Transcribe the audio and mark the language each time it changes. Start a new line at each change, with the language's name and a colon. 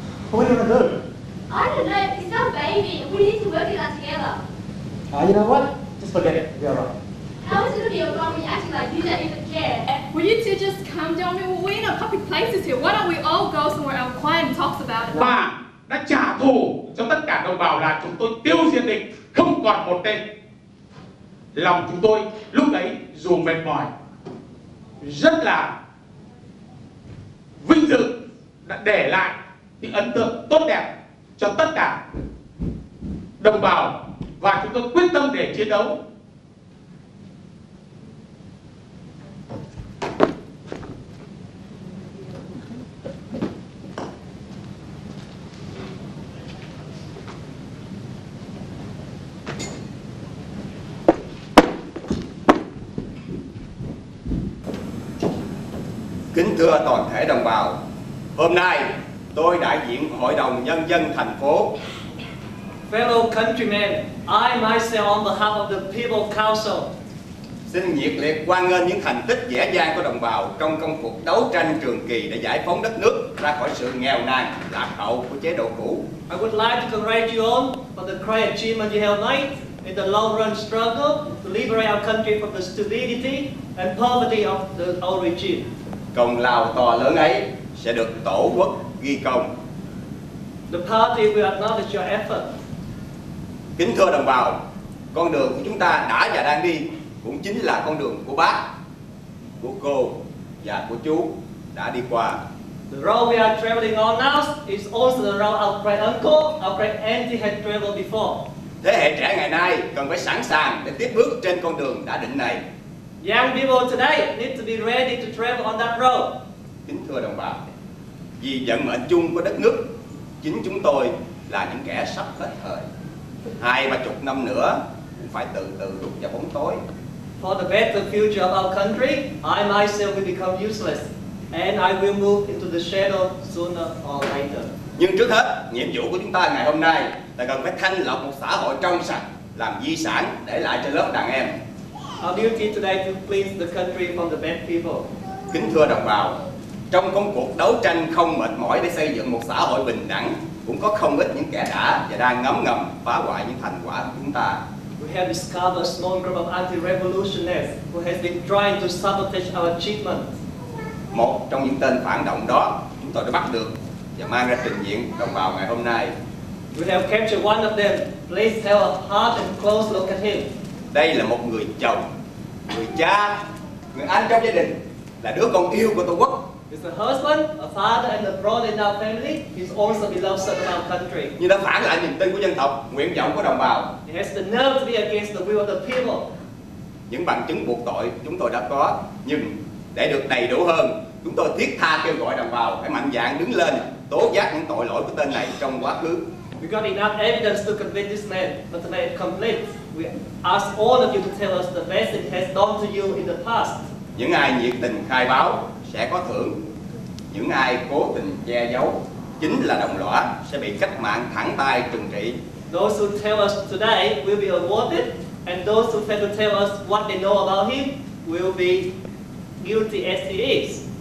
English: What are you going to do? I don't know, it's our baby. We need to work it out together. You know what? Just forget it, you're right. How is it going to be your problem acting like you don't even care? Will you two just calm down? We're in a public places here. Why don't we all go somewhere else quiet and talk about it?
Vietnamese: Ba, nó trả thù cho tất cả đồng bào là chúng tôi tiêu diệt địch, không còn một tên. Lòng chúng tôi lúc đấy dù mệt mỏi, rất là vinh dự đã để lại những ấn tượng tốt đẹp cho tất cả đồng bào và chúng tôi quyết tâm để chiến đấu. Kính thưa toàn thể đồng bào, hôm nay tôi đại diện Hội đồng Nhân dân thành phố.
English: Fellow countrymen, I myself on behalf of the People Council.
Vietnamese: Xin nhiệt liệt hoan nghênh những thành tích vẻ vang của đồng bào trong công cuộc đấu tranh trường kỳ để giải phóng đất nước ra khỏi sự nghèo nàn, lạc hậu của chế độ cũ.
English: I would like to congratulate you all for the great achievement you have made in the long run struggle to liberate our country from the stupidity and poverty of the old regime.
Vietnamese: Công lao to lớn ấy sẽ được tổ quốc ghi công.
English: The party will acknowledge your effort.
Vietnamese: Kính thưa đồng bào, con đường của chúng ta đã và đang đi cũng chính là con đường của bác, của cô và của chú đã đi qua.
English: The road we are traveling on now is also the road our great uncle, our great auntie had traveled before.
Vietnamese: Thế hệ trẻ ngày nay cần phải sẵn sàng để tiếp bước trên con đường đã định này.
English: Young people today need to be ready to travel on that road.
Vietnamese: Kính thưa đồng bào, vì vận mệnh chung của đất nước, chính chúng tôi là những kẻ sắp hết thời. 20 năm nữa cũng phải từ từ rút vào bóng tối.
English: For the better future of our country, I myself will become useless, and I will move into the shadow sooner or later.
Vietnamese: Nhưng trước hết, nhiệm vụ của chúng ta ngày hôm nay là cần phải thanh lọc một xã hội trong sạch, làm di sản để lại cho lớp đàn em.
English: Our duty today to please the country from the bad people.
Vietnamese: Kính thưa đồng bào, trong công cuộc đấu tranh không mệt mỏi để xây dựng một xã hội bình đẳng, cũng có không ít những kẻ đã và đang ngấm ngầm phá hoại những thành quả của chúng ta.
English: We have discovered a small group of anti-revolutionists who has been trying to sabotage our achievement.
Vietnamese: Một trong những tên phản động đó, chúng tôi đã bắt được và mang ra trình diện đồng bào ngày hôm nay.
English: We have captured one of them. Please have a hard and close look at him.
Vietnamese: Đây là một người chồng, người cha, người anh trong gia đình, là đứa con yêu của Tổ quốc.
English: He's a husband, a father and a brother in our family. He's also beloved son of our country.
Vietnamese: Nhưng đã phản lại niềm tin của dân tộc, nguyện vọng của đồng bào.
English: He has the nerve to be against the will of the people.
Vietnamese: Những bằng chứng buộc tội chúng tôi đã có, nhưng để được đầy đủ hơn, chúng tôi thiết tha kêu gọi đồng bào phải mạnh dạn đứng lên, tố giác những tội lỗi của tên này trong quá khứ.
English: We got enough evidence to convict this man, but to make it complete. We ask all of you to tell us the best it has done to you in the past.
Vietnamese: Những ai nhiệt tình khai báo sẽ có thưởng. Những ai cố tình che giấu chính là đồng lõa sẽ bị cách mạng thẳng tay trừng trị.
English: Those who tell us today will be awarded, and those who fail to tell us what they know about him will be guilty as he is.